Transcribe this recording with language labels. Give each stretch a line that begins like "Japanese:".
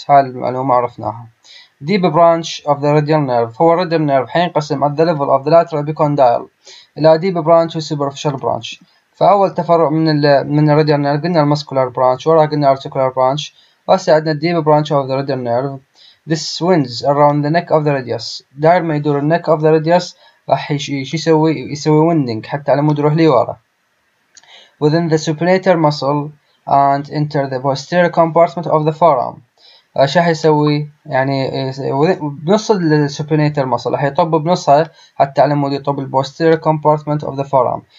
Arabic: هاي المعلومه عرفناها. ديب برانش اوف ذا راديال نيرف، هو الراديال نيرف حينقسم ات ذا ليفل اوف ذا لاترال ابيكوندايل الى ديب برانش وسوبرفيشال برانش. فاول تفرع من الراديال نيرف قلنا المسكولار برانش، وراها قلنا ارتكولار برانش، وهسه عندنا ديب برانش اوف ذا راديال نيرف.
English: This winds around the neck of the radius.
Arabic: داير ما يدور النك اوف ذا راديوس، راح يسوي ويندنج حتى على مود يروح لورا.
English: Within the supinator muscle and enter the posterior compartment of the forearm.
Arabic: ايش راح يسوي؟ يعني بنص السوبينيتر مصل راح يطب بنصها حتى على مود يطب البوستيرير كومبارتمنت اوف ذا فورام.